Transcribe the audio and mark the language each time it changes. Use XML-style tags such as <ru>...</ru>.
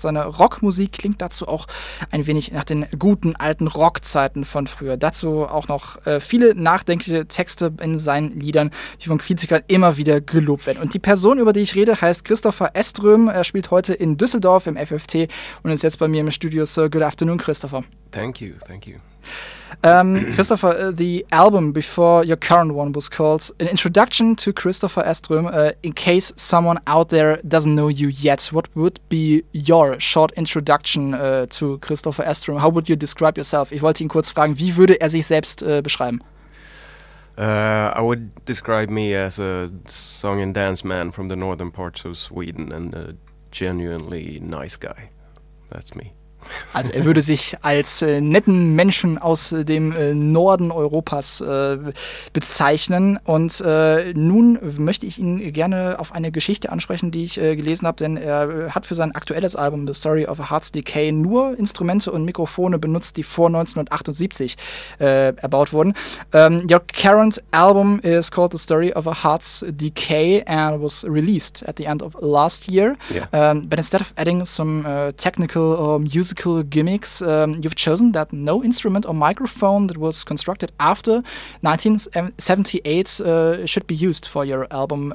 <de>Seine Rockmusik klingt dazu auch ein wenig nach den guten alten Rockzeiten von früher. Dazu auch noch viele nachdenkliche Texte in seinen Liedern, die von Kritikern immer wieder gelobt werden. Und die Person, über die ich rede, heißt Christopher Eström. Er spielt heute in Düsseldorf im FFT und ist jetzt bei mir im Studio.</de> <en>So, good afternoon, Christopher. Thank you. Christopher, the album before your current one was called An Introduction to Christopher Eström. In case someone out there doesn't know you yet, what would be your short introduction to Christopher Eström? How would you describe yourself?</en> <de>Ich wollte ihn kurz fragen, wie würde er sich selbst beschreiben?</de> <en>I would describe me as a song and dance man from the northern parts of Sweden and a genuinely nice guy. That's me.</en> <de>Also er würde sich als netten Menschen aus dem Norden Europas bezeichnen. Und nun möchte ich ihn gerne auf eine Geschichte ansprechen, die ich gelesen habe, denn er hat für sein aktuelles Album The Story of a Heart's Decay nur Instrumente und Mikrofone benutzt, die vor 1978 erbaut wurden.</de> <en>Your current album is called The Story of a Heart's Decay and was released at the end of last year. Yeah. But instead of adding some technical or musical gimmicks, you've chosen that no instrument or microphone that was constructed after 1978 should be used for your album.</en>